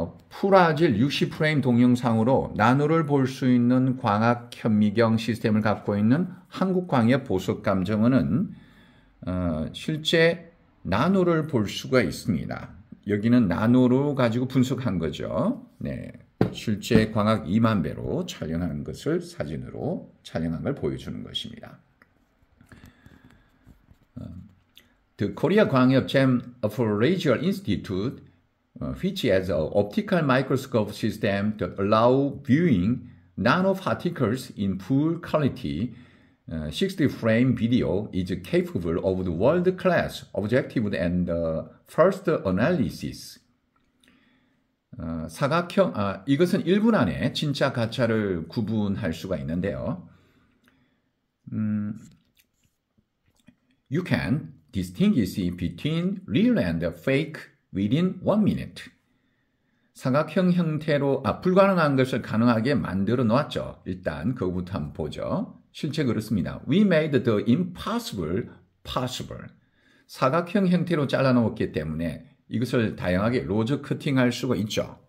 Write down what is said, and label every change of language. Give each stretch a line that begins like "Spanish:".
Korean: 풀화질 60프레임 동영상으로 나노를 볼수 있는 광학 현미경 시스템을 갖고 있는 한국광역보석감정원은 실제 나노를 볼 수가 있습니다. 여기는 나노로 가지고 분석한 거죠. 네, 실제 광학 2만 배로 촬영한 것을 사진으로 촬영한 걸 보여주는 것입니다.
English: The Korea 광역잼 Appraisal Institute, which has an optical microscope system that allows viewing nanoparticles in full quality 60-frame video, is capable of the world-class objective and first analysis.
Korean: 이것은 1분 안에 진짜 가짜를 구분할 수가 있는데요.
English: You can distinguish between real and fake within 1 minute.
Korean: 사각형 형태로, 불가능한 것을 가능하게 만들어 놓았죠. 일단 그거부터 한번 보죠. 실제 그렇습니다.
English: We made the impossible possible.
Korean: 사각형 형태로 잘라 놓았기 때문에 이것을 다양하게 로저 커팅할 수가 있죠.